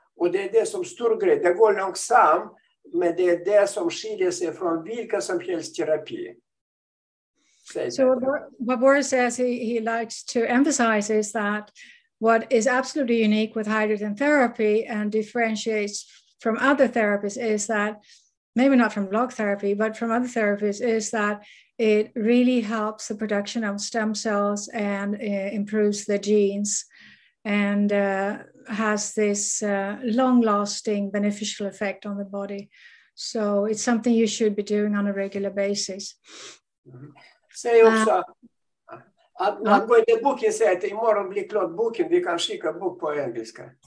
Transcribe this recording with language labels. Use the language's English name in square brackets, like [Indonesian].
[Swedish] Och det är det som stor grej. Det går långsamt, men det är det som skiljer sig från vilka som helst terapi. [English] So what Boris says he likes to emphasize is that what is absolutely unique with hydrogen therapy and differentiates from other therapies is that, maybe not from block therapy, but from other therapies, is that it really helps the production of stem cells and improves the genes and has this long-lasting beneficial effect on the body. So it's something you should be doing on a regular basis. [Swedish] Säg också angående boken, säg att imorgon blir klart boken, vi kan skicka bok på engelska.